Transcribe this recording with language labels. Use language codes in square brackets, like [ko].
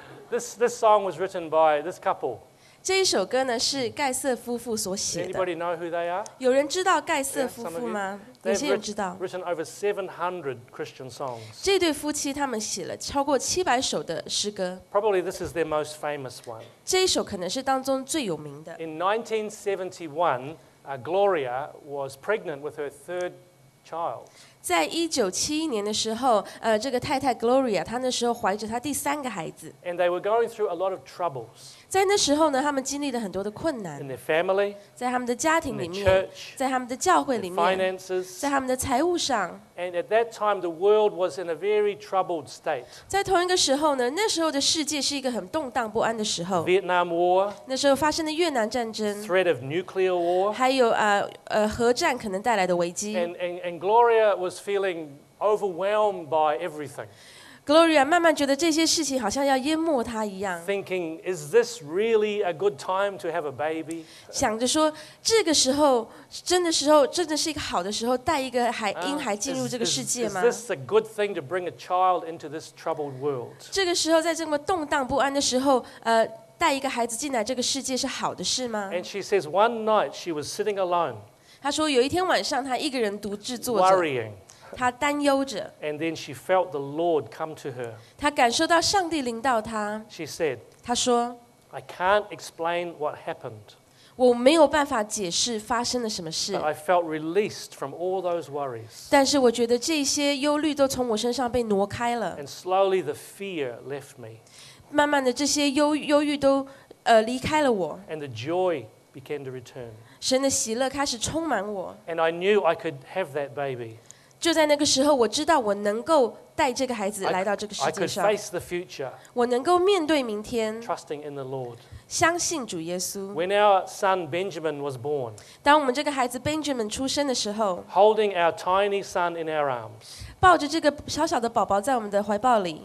[en] This song was written by this couple. [zh] 这一首歌呢是盖瑟夫妇所写的。 [en] Anybody know who they are? [zh] 有人知道盖瑟夫妇吗？ [en] Yeah, [zh] 有些人知道。 [en] Written over 700 Christian songs. [zh] 这对夫妻他们写了超过700首的诗歌。 [en] Probably this is their most famous one. [zh] 这一首可能是当中最有名的。 [en] In 1971, Gloria was pregnant with her third child. [zh] 在1971年的时候，这个太太 Gloria 她那时候怀着她第三个孩子。 [en] And they were going through a lot of troubles. [zh] 在那时候呢，他们经历了很多的困难。 [en] In their family, [zh] 在他们的家庭里面， [en] in their church, [zh] 在他们的教会里面， [en] finances, [zh] 在他们的财务上。 [en] And at that time, the world was in a very troubled state. [zh] 在同一个时候呢，那时候的世界是一个很动荡不安的时候。 [en] Vietnam War, [zh] 那时候发生的越南战争。 [en] Threat of nuclear war, [zh] 还有核战可能带来的危机。 [en] And Gloria was feeling overwhelmed by everything. [zh] Gloria 慢慢觉得这些事情好像要淹没她一样。 [en] Thinking, is this really a good time to have a baby? [zh] 想着说，这个时候，真的时候，真的是一个好的时候，带一个婴孩进入这个世界吗？ [en] Is this a good thing to bring a child into this troubled world? [zh] 这个时候，在这么动荡不安的时候，带一个孩子进来这个世界是好的事吗？ [en] And she says, one night she was sitting alone. [zh] 她说有一天晚上，她一个人独自坐着。 [en] Worrying. [zh] 她担忧着。 [en] And then she felt the Lord come to her. [zh] 她感受到上帝临到她。 [en] She said, [zh] 她说 [en] I can't explain what happened. [zh] 我没有办法解释发生了什么事。 [en] But I felt released from all those worries. [zh] 但是我觉得这些忧虑都从我身上被挪开了。 [en] And slowly the fear left me. [zh] 慢慢的这些忧虑都离开了我。 [en] And the joy began to return. [zh] 神的喜乐开始充满我。 [en] And I knew I could have that baby. [zh] 就在那个时候，我知道我能够带这个孩子来到这个世界上。 [en] I could face the future, [zh] 我能够面对明天。 [en] Trusting in the Lord, [zh] 相信主耶稣。 [en] When our son Benjamin was born, [zh] 当我们这个孩子 Benjamin 出生的时候， [en] holding our tiny son in our arms, [zh] 抱着这个小小的宝宝在我们的怀抱里，